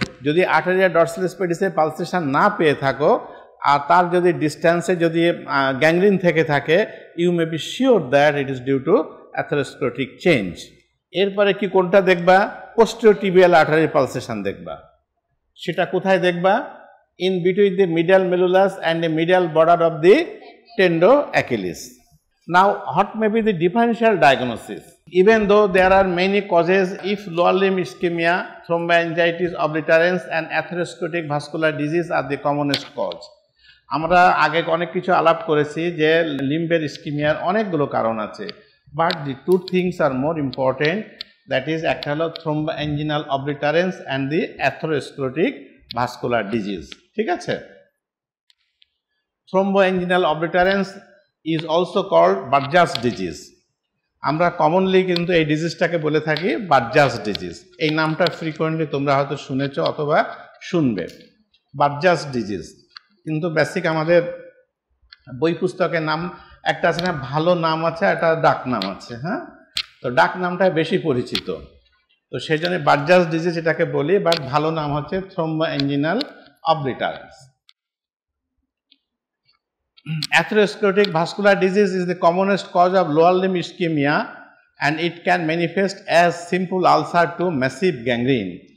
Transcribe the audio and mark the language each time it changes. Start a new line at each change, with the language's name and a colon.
Bangla: যদি আর্টারিয়া dorsal স্পেডিসে pulsation না পেয়ে থাকো আর তার যদি ডিস্টেন্সে যদি গ্যাংগ্রিন থেকে থাকে,
English: You may be sure that it is due to atherosclerotic change.
Bangla: এরপরে কি কোনটা দেখবা, পোস্টেরিয়র টিবিয়াল আর্টারির পালসেশন দেখবা। সেটা কোথায় দেখবা?
English: In between the medial malleolus and a medial border of the tendo Achilles. Now what may be the differential diagnosis? Even though there are many causes, if lower limb ischemia, thrombangitis, obliterans and atherosclerotic vascular disease are the commonest cause.
Bangla: আমরা আগে অনেক কিছু আলাপ করেছি যে লিম্বের ইস্কিমিয়ার অনেকগুলো কারণ আছে,
English: but the two things are more important, that is
Bangla: একটা হলো থ্রোম্বাঞ্জিনাল অবলিটারেন্স
English: and the
Bangla: অ্যাথরোস্ক্লেরোটিক ভাস্কুলার ডিজিজ। ঠিক আছে,
English: Thromboangiitis obliterans is also called Buerger's disease.
Bangla: আমরা কমনলি কিন্তু এই ডিজিজটাকে বলে থাকি বার্জাস ডিজিজ। এই নামটা ফ্রিকোয়েন্টলি তোমরা হয়তো শুনেছ অথবা শুনবে, বার্জাস ডিজিজ। কিন্তু বেসিক আমাদের বই পুস্তকের নাম একটা আছে না, ভালো নাম আছে একটা ডাক নাম আছে। হ্যাঁ, তো ডাক নামটা বেশি পরিচিত, তো সেই জন্য বার্জাস ডিজিজ এটাকে বলি, বাট ভালো নাম হচ্ছে থ্রোম্বাঞ্জিনাল অবলিটারেন্স।
English: Atherosclerotic vascular disease is the commonest cause of lower limb ischemia and it can manifest as simple ulcer to massive gangrene.